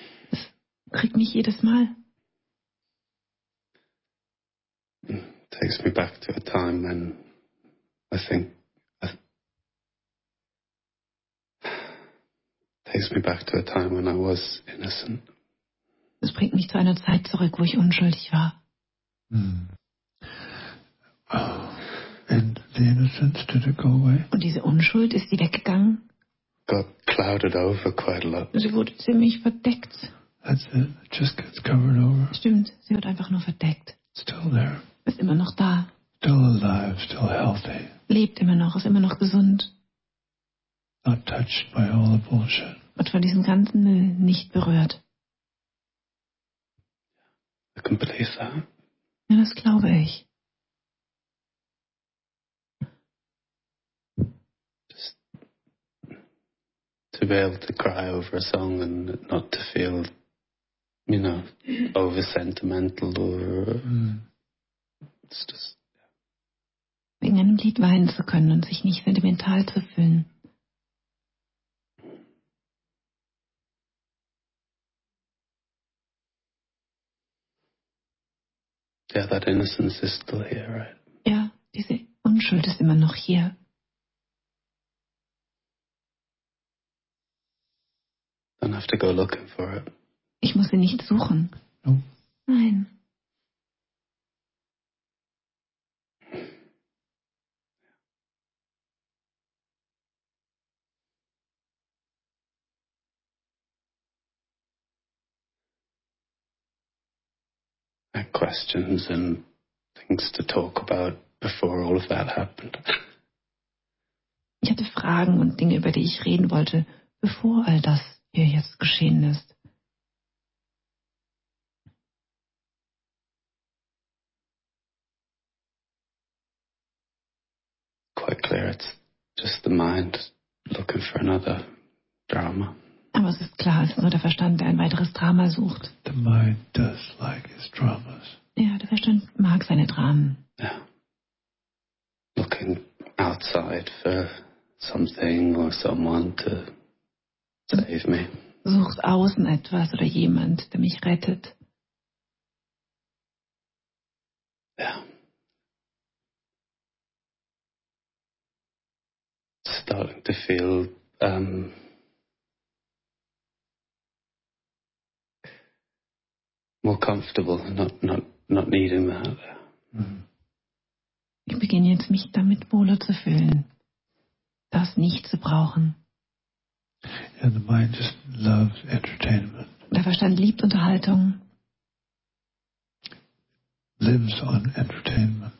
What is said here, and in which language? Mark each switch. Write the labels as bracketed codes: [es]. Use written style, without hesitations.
[de] Es kriegt mich jedes Mal. [en] Takes me back to a time when I think. Takes me back to a time when I was innocent. [de] Es bringt mich zu einer Zeit zurück, wo ich unschuldig war. [en] And the innocence, did it go away? [de] Und diese Unschuld, ist sie weggegangen? [en] Got clouded over quite a lot. [de] Sie wurde ziemlich verdeckt. [en] That's it. It just gets covered over. [de] Stimmt, sie wird einfach nur verdeckt. [en] Still there. [de] Ist immer noch da. [en] Still alive, still healthy. [de] Lebt immer noch, ist immer noch gesund. [en] Not touched by all the bullshit. [de] Und von diesem ganzen Müll nicht berührt. [en] I can believe that. [de] Ja, das glaube ich. [en] To be able to cry over a song and not to feel, you know, over sentimental or it's just [de] wegen einem Lied weinen zu können und sich nicht sentimental zu fühlen. [en] Yeah, that innocence is still here, right? [de] Ja, diese Unschuld ist immer noch hier. [en] I don't have to go looking for it. [de] Ich muss sie nicht suchen. [en] No. [de] Nein. [en] questions and things to talk about before all of that happened. [de] Ich hatte Fragen und Dinge, über die ich reden wollte, bevor all das hier jetzt geschehen ist. [en] Quite clear, it's just the mind looking for another drama. [de] Aber es ist klar, es ist nur der Verstand, der ein weiteres Drama sucht. [en] The mind does like his dramas. [de] Ja, der Verstand mag seine Dramen. [en] Yeah. Looking outside for something or someone to save me. [de] Sucht außen etwas oder jemand, der mich rettet. Ja. Yeah. [en] Starting to feel more comfortable, not needing that. [de] Ich beginne jetzt mich damit wohler zu fühlen, das nicht zu brauchen. [en] Yeah, the mind just loves entertainment. [de] Der Verstand liebt Unterhaltung. [en] Lives on entertainment.